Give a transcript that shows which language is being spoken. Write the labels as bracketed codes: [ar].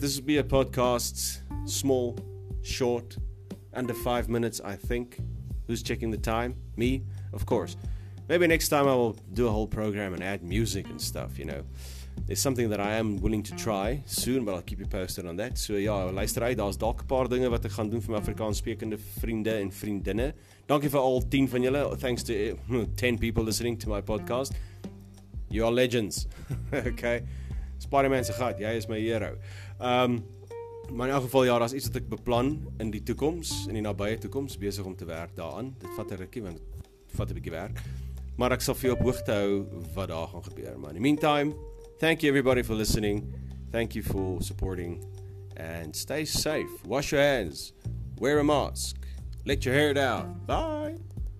[en] This will be a podcast, small, short, under 5 minutes, I think. Who's checking the time? Me, of course. Maybe next time I will do a whole program and add music and stuff, you know. is something that I am willing to try soon, but I'll keep you posted on that. [af] So ja, luisterai, daar's dalk 'n paar dinge wat ek gaan doen vir my Afrikaans sprekende vriende en vriendinne. Dankie vir al 10 van julle. [en] Thanks to 10 people listening to my podcast. You are legends. Okay. [af] Spider-Man se gat, jy is my hero. Maar in elk geval, ja, daar is iets wat ek beplan in die toekoms, in die nabije toekoms, besig om te werk daaraan. Dit vat 'n rukkie, want dit vat 'n bietjie werk. Maar ek sal vir jou op hoogte hou wat daar gaan gebeur. [en] Maar in the meantime, thank you everybody for listening. Thank you for supporting. And stay safe. Wash your hands. Wear a mask. Let your hair down. Bye.